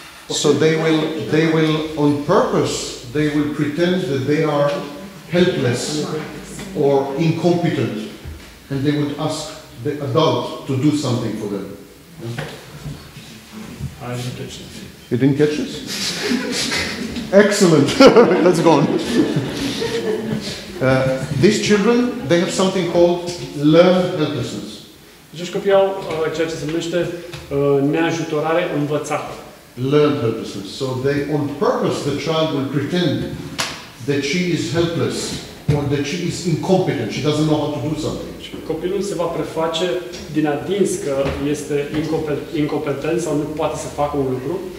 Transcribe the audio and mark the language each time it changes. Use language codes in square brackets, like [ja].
[en] So they will on purpose, they will pretend that they are helpless or incompetent, and they would ask the adult to do something for them. I didn't catch this. You didn't catch this? Excellent. Let's go on. These children, they have something called learned helplessness. [ro] Deci copiii au ceea ce se numește neajutorare învățată. [en] Learned helplessness. So they, on purpose, the child will pretend that she is helpless or that she is incompetent. She doesn't know how to do something. [ro] Copilul se va preface din adins că este incompetent sau nu poate să facă un lucru.